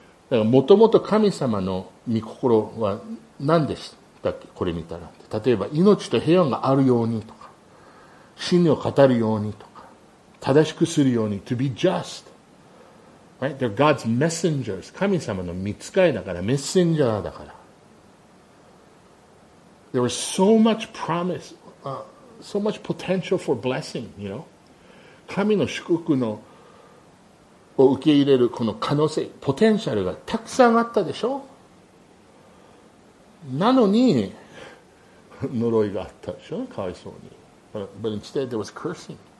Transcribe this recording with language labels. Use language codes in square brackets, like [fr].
[ja] だからもともと神様の御心は何でしたっけ?これ見たら。例えば、命と平安があるようにとか、真理を語るようにとか。正しくするように [en] to be just right they're God's messengers [ja] 神様の御使いだからメッセンジャーだから [en] there was so much promise so much potential for blessing you know [ja] 神の祝福のを受け入れるこの可能性、ポテンシャルがたくさんあったでしょ。なのに呪いがあったでしょ、かわいそうに。 [en] But instead there was cursing.